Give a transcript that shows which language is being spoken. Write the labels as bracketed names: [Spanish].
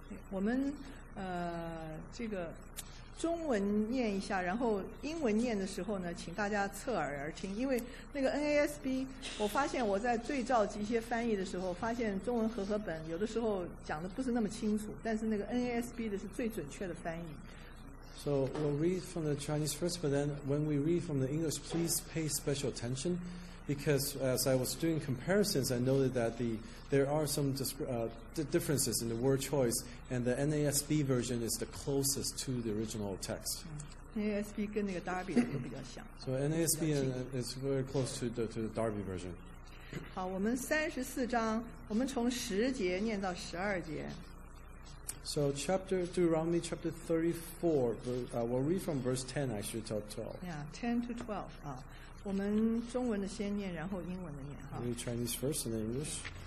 [Chinese] 我们这个中文念一下，然后英文念的时候呢，请大家侧耳而听，因为那个 NASB， 我发现我在对照一些翻译的时候，发现中文和合本有的时候讲的不是那么清楚，但是那个 NASB 的是最准确的翻译。 [English] So we'll read from the Chinese first, but then when we read from the English, please pay special attention, because as I was doing comparisons, I noted that there are some differences in the word choice, and the NASB version is the closest to the original text. [Chinese] NASB 跟那个 Darby 都比较像。 [English] So NASB is very close to the Darby version. [Chinese] 好，我们三十四章，我们从十节念到十二节。 [English] So Deuteronomy chapter 34, we'll read from verse 10, actually, till 12. Yeah, 10 to 12. [Chinese] 我们中文的先念，然后英文的念。 [English] Read Chinese first and then English.